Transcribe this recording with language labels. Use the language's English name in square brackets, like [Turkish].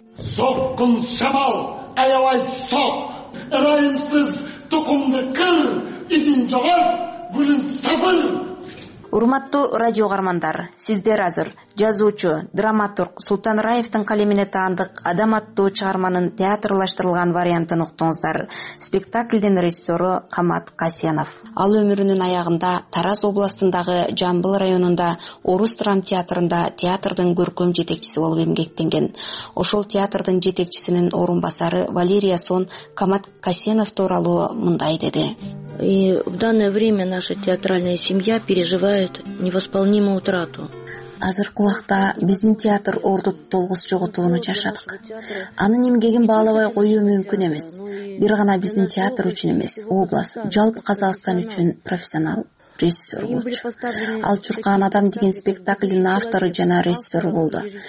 [Kyrgyz] Соккун шамал, аябай сок, ырайымсыз тукумду кыр, изин жоголт, гүлүн сапыр. Урматтуу радио каармандар, сиздер азыр жазуучу, драматург Султан Раевтин калемине таандык Адам аттуу чыгарманын театрлаштырылган вариантын уктуңуздар. Спектакльдин режиссёру Камат Касенов. Ал өмүрүнүн аягында Тараз областындагы Жамбыл районунда Орус драм театрында театрдын көркөм жетекчиси болуп эмгектенген. Ошол театрдын жетекчисинин орун басары Валерия Сон Камат Касенов тууралуу мындай деди. [Russian] И в данное время наша театральная семья переживает невосполнимую утрату. [Kyrgyz] Азыркы убакта биздин театр орду толгус жоготууну жашадык. Анын эмгегин баалабай коюу мүмкүн эмес. Бир гана биздин театр үчүн эмес, област, жалпы Казакстан үчүн профессионал режиссер болчу. Ал Чуркан Адам деген спектаклдин автору жана режиссер болду.